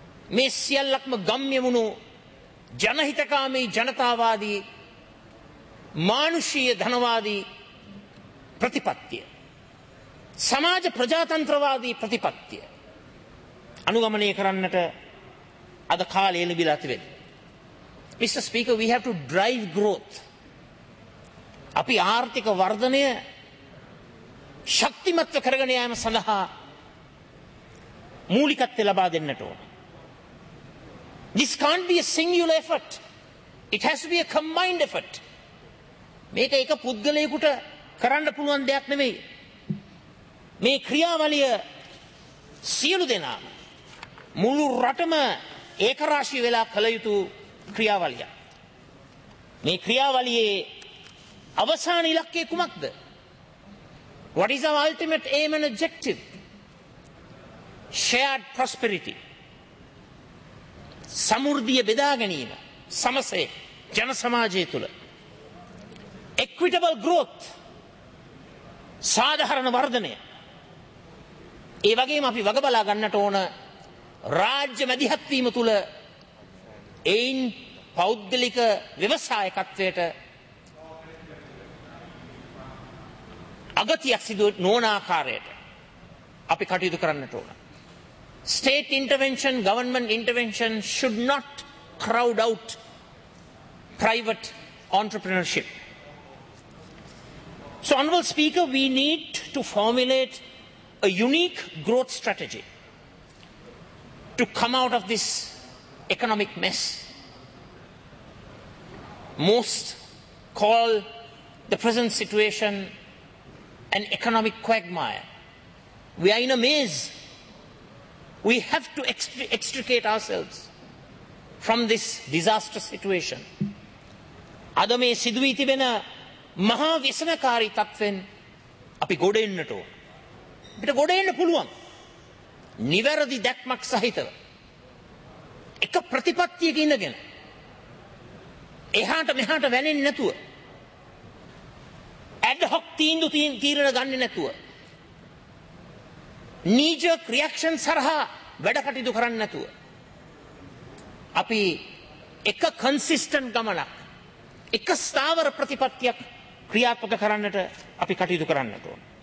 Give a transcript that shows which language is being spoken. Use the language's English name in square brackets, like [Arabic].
[Sinhala] මේ සියල්ලක්ම ගම්යමුණු ජනහිතකාමී ජනතාවාදී මානුෂීය ධනවාදී ප්‍රතිපත්තිය, සමාජ ප්‍රජාතන්ත්‍රවාදී ප්‍රතිපත්තිය අනුගමනය කරන්නට අද කාලය ලැබිලා තිබෙනවා. [English] Mr. Speaker, we have to drive growth. [Sinhala] අපි ආර්ථික වර්ධනය ශක්තිමත් කරගෙන යාම සඳහා මූලිකත්වය ලබා දෙන්නට ඕන. [English] This can't be a singular effort. It has to be a combined effort. [Sinhala] මේක එක පුද්ගලයෙකුට කරන්න පුළුවන් දෙයක් නෙවෙයි. මේ ක්‍රියාවලිය සියලු දෙනා මුළු රටම ඒකරාශී වෙලා කළ යුතු ක්‍රියාවලිය. මේ ක්‍රියාවලියේ අවසාන ඉලක්කය කුමක්ද? [English] What is our ultimate aim and objective? Shared prosperity. [Sinhala] සමෘද්ධිය බෙදා ගැනීම සමසේ ජන සමාජය තුළ. [English] Equitable growth. [Sinhala] සාධාරණ වර්ධනය. ඒ වගේම අපි වග බලා ගන්නට ඕන රාජ්‍ය මැදිහත් වීම තුළ එයින් පෞද්ගලික ව්‍යවසායකත්වයට අගතියක් සිදු නොවන ආකාරයට අපි කටයුතු කරන්නට ඕන. [English] State intervention, government intervention should not crowd out private entrepreneurship. So, Honorable Speaker, we need to formulate a unique growth strategy to come out of this economic mess. Most call the present situation an economic quagmire. We are in a maze. We have to extricate ourselves from this disastrous situation. [Sinhala] අද මේ සිදු වී තිබෙන මහා විෂමකාරී තත්ත්වෙන් අපි ගොඩ එන්නට ඕන. අපිට ගොඩ එන්න පුළුවන්. නිවැරදි දැක්මක් සහිතව එක ප්‍රතිපත්තියක ඉඳගෙන එහාට මෙහාට වැළෙන්නේ නැතුව, [English] ad hoc [Sinhala] තීන්දුව තීරණ ගන්නේ නැතුව, [English] knee jerk reaction [Sinhala] සරහා වැඩ කටයුතු කරන්නේ නැතුව අපි එක [English] consistent [Sinhala] ගමනක්, එක ස්ථාවර ප්‍රතිපත්තියක් ක්‍රියාත්මක කරන්නට අපි කටයුතු කරන්නට ඕන.